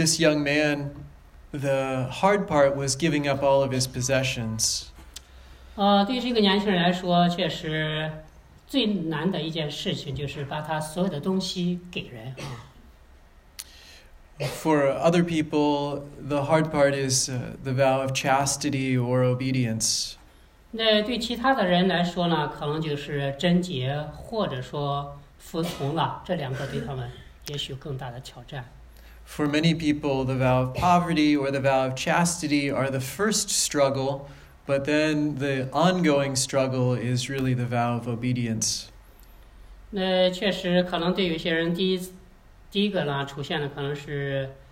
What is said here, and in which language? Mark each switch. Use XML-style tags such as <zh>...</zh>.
<en>this young man, the hard part was giving up all of his possessions.</en> <zh>对这个年轻人来说，确实最难的一件事情就是把他所有的东西给人啊。</zh> <en>For other people, the hard part is the vow of chastity or obedience.</en> <zh>那对其他的人来说呢，可能就是贞洁或者说服从了，这两个对他们也许更大的挑战。</zh> <en>For many people, the vow of poverty or the vow of chastity are the first struggle, but then the ongoing struggle is really the vow of obedience.</en> <zh>那确实可能对有些人第一个呢出现的可能是。</zh>